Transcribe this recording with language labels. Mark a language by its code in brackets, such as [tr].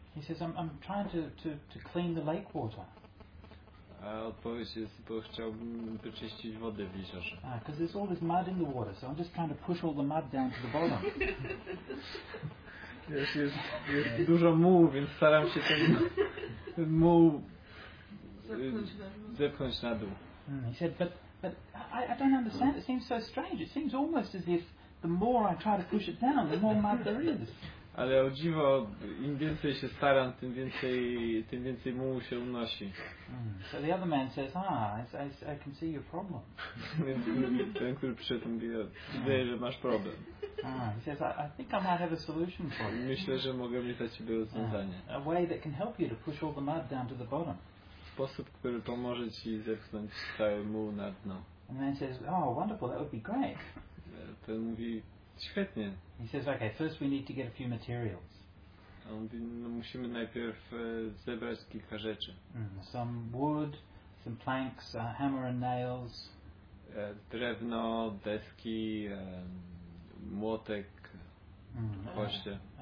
[en] He says, I'm trying to clean the lake water. [pl] Odpowiedź jest, bo chciałbym wyczyścić wodę w jeziorze. [en] Ah, because there's all this mud in the water, so I'm just trying to push all the mud down to the bottom. [pl] Jest dużo mułu, więc staram się ten muł zepchnąć na dół. [en] He said, but I don't understand. It seems so strange. It seems almost as if the more I try to push it down, the more mud there is. [pl] Ale o dziwo, im więcej się staram, tym więcej mułu się unosi. [en] So the other man says, I can see your problem. [pl] Ten, który przyszedł, mówi, wydaje, że masz problem. [en] He says, I think I might have a solution for you. [pl] Myślę, że mogę mieć dla ciebie rozwiązanie. [en] A way that can help you to push all the mud down to the bottom. [pl] Sposób, który pomoże ci zepchnąć cały muł na dno. [en] And then he says, oh, wonderful, that would be great. [pl] Ten mówi, świetnie. [en] He says, okay, first we need to get a few materials. [pl] A on mówi, no musimy najpierw zebrać kilka rzeczy. [en] Some wood, some planks, a hammer and nails. [pl] Drewno, deski, młotek, koście.